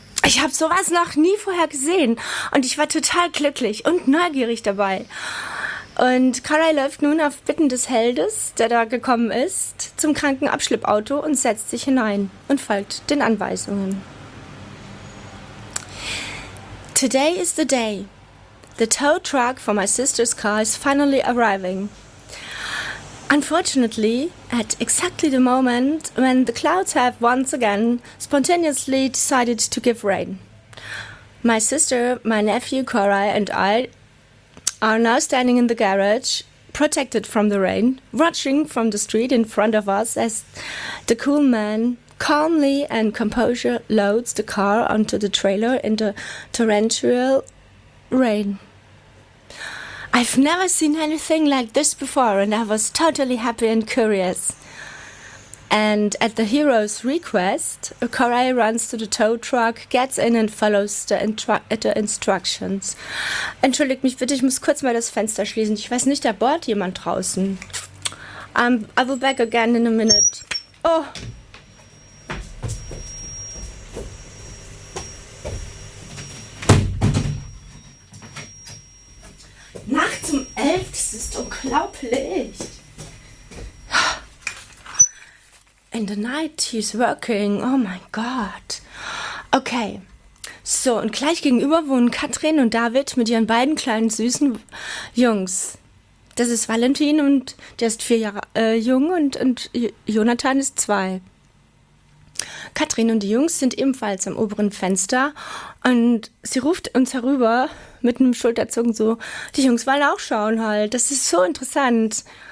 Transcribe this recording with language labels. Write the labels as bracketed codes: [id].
[de] Ich habe sowas noch nie vorher gesehen und ich war total glücklich und neugierig dabei. Und Karai läuft nun auf Bitten des Heldes, der da gekommen ist, zum kranken Abschleppauto und setzt sich hinein und folgt den Anweisungen. [en] Today is the day. The tow truck for my sister's car is finally arriving. Unfortunately, at exactly the moment when the clouds have once again spontaneously decided to give rain. My sister, my nephew Karai and I are now standing in the garage, protected from the rain, watching from the street in front of us as the cool man calmly and composure loads the car onto the trailer in the torrential rain. I've never seen anything like this before and I was totally happy and curious. And at the hero's request, Koray runs to the tow truck, gets in and follows the instructions. [de] Entschuldigt mich bitte, ich muss kurz mal das Fenster schließen. Ich weiß nicht, da bohrt jemand draußen. [en] I will back again in a minute. Oh! [de] Nachts um 11, das ist unglaublich! [en] In the night he's working. [de] Oh mein Gott. Okay. So, und gleich gegenüber wohnen Katrin und David mit ihren beiden kleinen süßen Jungs. Das ist Valentin und der ist 4 Jahre jung und Jonathan ist 2. Katrin und die Jungs sind ebenfalls am oberen Fenster und sie ruft uns herüber mit einem Schulterzucken so, die Jungs wollen auch schauen halt, das ist so interessant.